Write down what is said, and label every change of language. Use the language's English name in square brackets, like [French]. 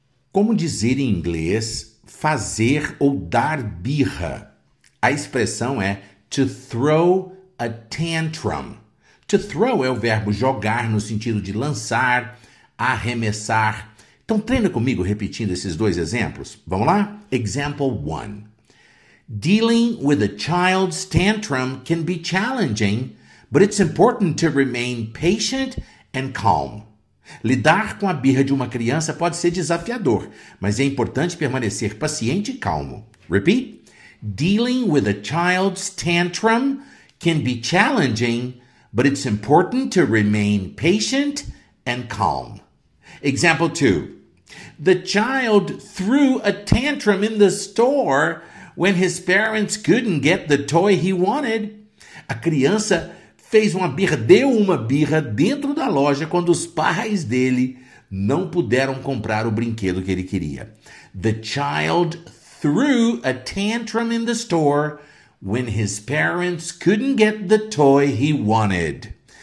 [Portuguese] Como dizer em inglês fazer ou dar birra? A expressão é [English] to throw a tantrum. To throw [Portuguese] é o verbo jogar no sentido de lançar, arremessar. Então treina comigo repetindo esses dois exemplos. Vamos lá? [English] Example 1. Dealing with a child's tantrum can be challenging, but it's important to remain patient and calm. [Portuguese] Lidar com a birra de uma criança pode ser desafiador, mas é importante permanecer paciente e calmo. [English] Repeat. Dealing with a child's tantrum can be challenging, but it's important to remain patient and calm. Example 2. The child threw a tantrum in the store when his parents couldn't get the toy he wanted. [Portuguese] A criança fez uma birra, deu uma birra dentro da loja quando os pais dele não puderam comprar o brinquedo que ele queria. [English] The child threw a tantrum in the store when his parents couldn't get the toy he wanted.